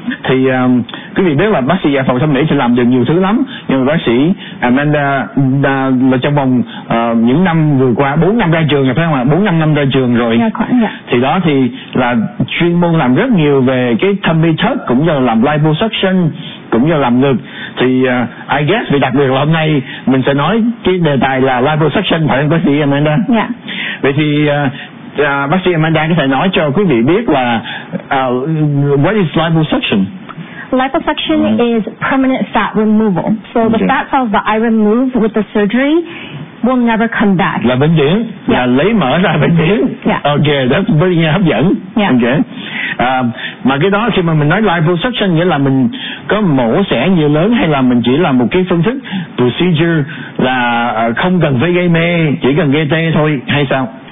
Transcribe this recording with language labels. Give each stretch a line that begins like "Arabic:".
Vietnamese: thì quý vị biết là bác sĩ dạ phòng thẩm mỹ sẽ làm được nhiều thứ lắm, nhưng mà bác sĩ Amanda là trong vòng những năm vừa qua, 4 năm ra trường phải không ạ, 4-5 năm ra trường rồi, thì đó thì là chuyên môn làm rất nhiều về cái thẩm mỹ thuật, cũng như là làm liposuction, cũng như là làm ngực. Thì
English: I guess
Vietnamese: vì đặc biệt là hôm nay mình sẽ nói cái đề tài là liposuction, phải không bác sĩ Amanda? Vậy thì bác sĩ Amanda có thể nói cho quý vị biết là
English: what is liposuction? Liposuction is permanent fat removal. So the fat cells that I remove with the surgery will never come back.
Vietnamese: Là bệnh viện, là lấy mỡ ra bệnh viện.
English: Okay, that's very
Vietnamese: hấp dẫn.
English: Okay.
Vietnamese: Mà cái đó khi mà mình nói liposuction nghĩa là mình có mổ xẻ nhiều lớn, hay là mình chỉ làm một cái phương thức procedure là không cần phải gây mê, chỉ cần gây tê thôi hay sao?